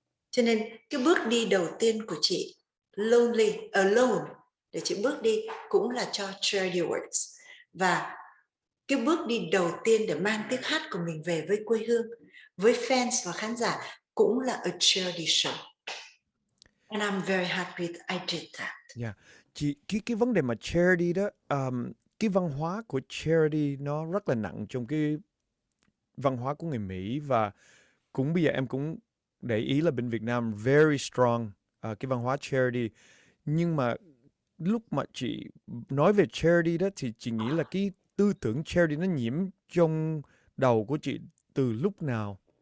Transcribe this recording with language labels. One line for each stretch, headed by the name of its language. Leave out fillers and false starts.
Vietnamese: Cho nên cái bước đi đầu tiên của chị
English: lonely, alone,
Vietnamese: để chị bước đi cũng là cho
English: charity works.
Vietnamese: Và cái bước đi đầu tiên để mang tiếng hát của mình về với quê hương, với fans và khán giả cũng là
English: a charity show. And I'm very happy that I did that. Yeah.
Vietnamese: Chị, cái vấn đề mà charity đó, cái văn hóa của charity nó rất là nặng trong cái văn hóa của người Mỹ, và cũng bây giờ em cũng để ý là bên Việt Nam
English: very strong
Vietnamese: cái văn hóa charity. Nhưng mà lúc mà chị nói về charity đó thì chị nghĩ là cái tư tưởng charity nó nhiễm trong đầu của chị từ lúc nào?